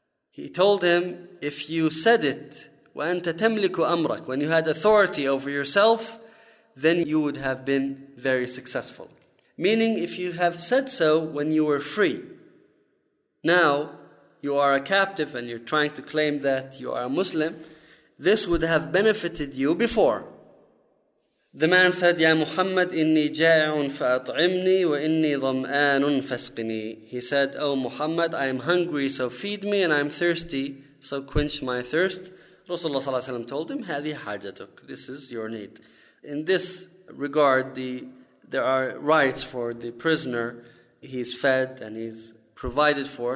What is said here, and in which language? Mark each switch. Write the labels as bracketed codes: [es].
[en] He told him, if you said it, [ar] وَأَنْتَ تَمْلِكُ أَمْرَكُ, [en] when you had authority over yourself, then you would have been very successful. Meaning, if you have said so when you were free, now you are a captive and you're trying to claim that you are a Muslim, this would have benefited you before. The man said, [ar] يَا مُحَمَّدْ إِنِّي جَائِعٌ فَأَطْعِمْنِي وَإِنِّي ضَمْآنٌ فَسْقِنِي. [en] He said, O Muhammad, I am hungry, so feed me, and I am thirsty, so quench my thirst. Rasulullah sallallahu alaihi wasallam told him, [ar] "Hadi hajatuk." [en] This is your need. In this regard, there are rights for the prisoner. He's fed and he's provided for.